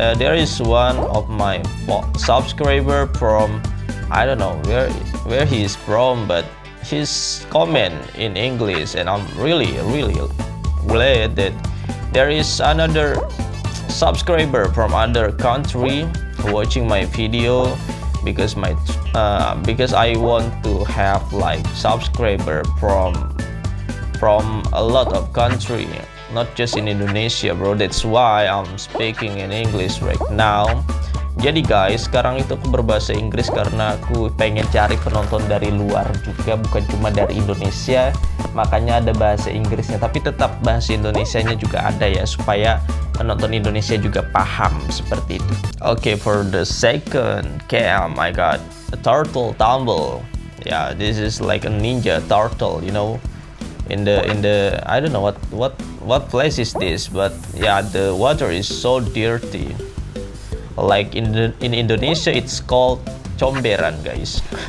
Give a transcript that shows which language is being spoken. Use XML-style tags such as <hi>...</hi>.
<en>There is one of my subscriber from, I don't know where he is from, but his comment in English, and I'm really, really glad that there is another subscriber from other country watching my video, because I want to have like subscriber from a lot of country, not just in Indonesia, bro. That's why I'm speaking in English right now.</en> <id>Jadi guys, sekarang itu aku berbahasa Inggris karena aku pengen cari penonton dari luar juga, bukan cuma dari Indonesia. Makanya ada bahasa Inggrisnya, tapi tetap bahasa Indonesianya juga ada ya, supaya penonton Indonesia juga paham seperti itu.</id> <en>Okay, for the second game, I got a turtle tumble. Yeah, this is like a ninja turtle, you know. In the I don't know what place is this, but yeah, the water is so dirty. Like in Indonesia, it's called comberan, guys.</en>